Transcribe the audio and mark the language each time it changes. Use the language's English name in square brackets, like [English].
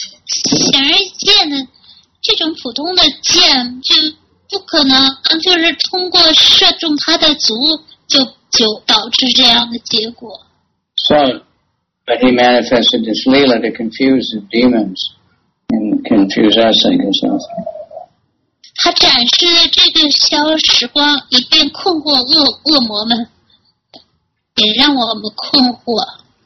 [Chinese] 显而易见呢，这种普通的剑就不可能就是通过射中他的足就导致这样的结果。 [English] So,But he manifested this Leela to confuse the demons and confuse us, I guess, also. [Chinese] 他展示了这个消时光以便困惑恶魔们也让我们困惑。